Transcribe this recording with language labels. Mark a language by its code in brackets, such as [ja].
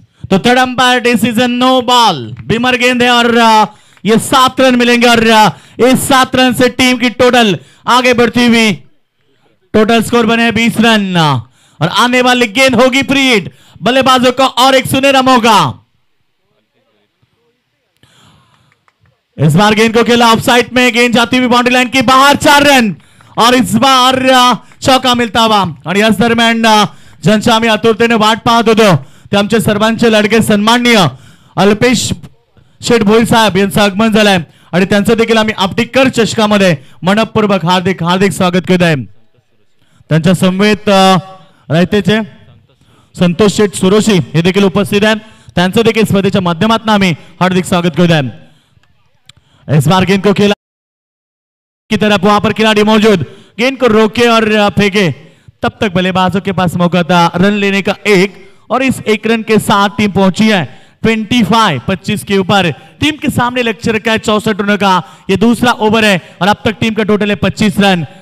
[hi] तो third umpire decision no ball, बिमर गेंद है और ये 7 रन मिलेंगे और इस 7 रन से टीम की टोटल आगे बढ़ती हुई, टोटल स्कोर बने 20 रन और आने वाली गेंद होगी फ्रीड, बल्लेबाजों का और एक सुनहरा मौका। इस बार गेंद को खेला ऑफसाइड में, गेंद जाती हुई बाउंड्री लाइन के बाहर, 4 रन और इस बार चौका मिलता हुआ। [mr] और इस दरमियान जनशामी अतुरते ने वाट पाहत होतो ते आमचे सर्वांच लड़के सन्माननीय अल्पेश शेठ भोई साहेब यांचं आगमन झालंय आणि त्यांचं देखील आम्ही आपटीकर चषकामध्ये मनपूर्वक हार्दिक स्वागत करत आहे। त्यांच्या समवेत रायतेचे संतोष शेठ सुरोशी हे देखील उपस्थित आहेत, त्यांचं देखील स्पर्धेच्या माध्यमातून आम्ही हार्दिक स्वागत करत आहे। [hi] इस बार गेंद को खेला की तरफ, वहां पर खिलाड़ी मौजूद, गेंद को रोके और फेंके, तब तक बल्लेबाजों के पास मौका था रन लेने का एक, और इस एक रन के साथ टीम पहुंची है 25 के ऊपर। टीम के सामने लक्ष्य रखा है 64 रनों का, यह दूसरा ओवर है और अब तक टीम का टोटल है 25 रन।